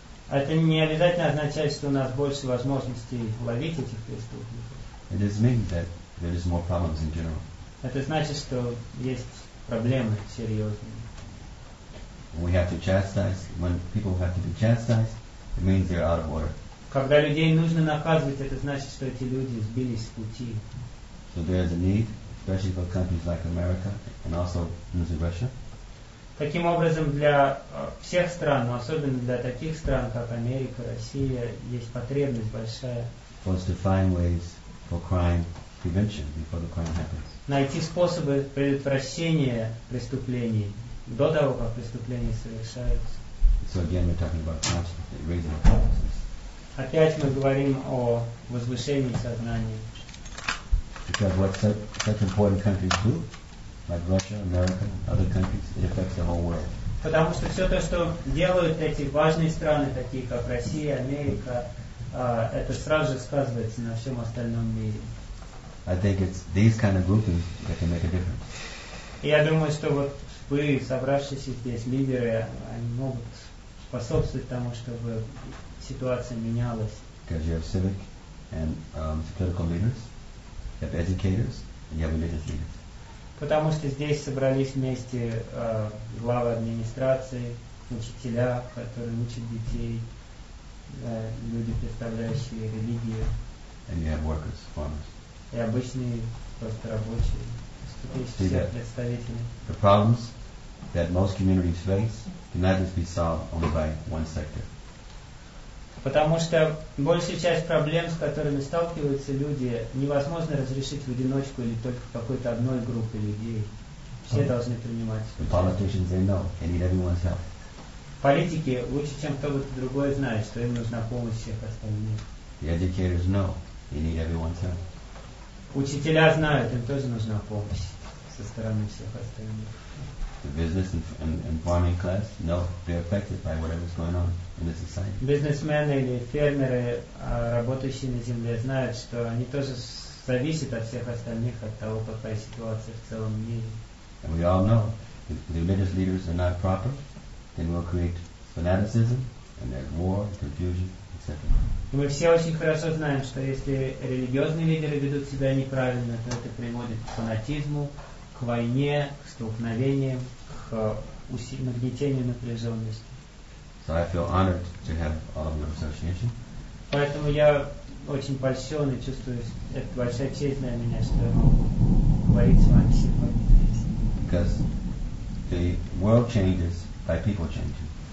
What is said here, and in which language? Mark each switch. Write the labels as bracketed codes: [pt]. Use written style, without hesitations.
[ru] Это не обязательно означает, что у нас больше возможностей ловить этих преступников. [en] It just means that there is more problems in general. [ru] Это значит, что есть проблемы серьезные. [en] We have to chastise when people have to be chastised. It means they're out of order. [ru] Когда людей нужно наказывать, это значит, что эти люди сбились с пути. [en] So there is a need, especially for countries like America and also Russia. [ru] Таким образом, для всех стран, но особенно для таких стран, как Америка, Россия, есть потребность большая. [en] For us to find ways for crime prevention before the crime happens. [ru] Найти способы предотвращения преступлений до того, как преступления совершаются. [en] So again, we're talking about consciousness, raising our consciousness. [ru] Опять мы говорим о возвышении сознания. [en] Because what such important countries do, like Russia, America, other countries, it affects the whole world. [ru] Потому что все то, что делают эти важные страны, такие как Россия, Америка, это сразу же сказывается на всем остальном мире. [en] I think it's these kind of groupings that can make a difference. [ru] Я думаю, что вот вы, собравшиеся здесь лидеры, они могут способствовать тому, чтобы ситуация менялась. [en] Because you have civic and political leaders, you have educators, and you have religious leaders. [ru] Потому что здесь собрались вместе главы администрации, учителя, которые учат детей, люди, представляющие религию. [en] And you have workers, farmers. [ru] И обычные просто рабочие, все представители. [en] The problems that most communities face cannot just be solved only by one sector. [ru] Потому что большая часть проблем, с которыми сталкиваются люди, невозможно разрешить в одиночку или только в какой-то одной группе людей. Все должны принимать. [en] The politicians, they know, they need everyone's help. [ru] Политики лучше, чем кто-то другой знает, что им нужна помощь всех остальных. [en] The educators know, they need everyone's help. [ru] Учителя знают, им тоже нужна помощь со стороны всех остальных. [en] The business and farming class know they're affected by whatever's going on in the society. [ru] Бизнесмены или фермеры, работающие на земле, знают, что они тоже зависят от всех остальных, от того, какая ситуация в целом в мире. [en] And we all know if the religious leaders are not proper, then we'll create fanaticism, and there's war, confusion, etc. [ru] И мы все очень хорошо знаем, что если религиозные лидеры ведут себя неправильно, то это приводит к фанатизму, к войне, к столкновениям, к нагнетению напряженности. [en] So I feel honored to have all of your association. [ru] Поэтому я очень польщен и чувствую, это большая честь для меня, что говорить с вами сегодня здесь. [en] Because the world changes by people changing.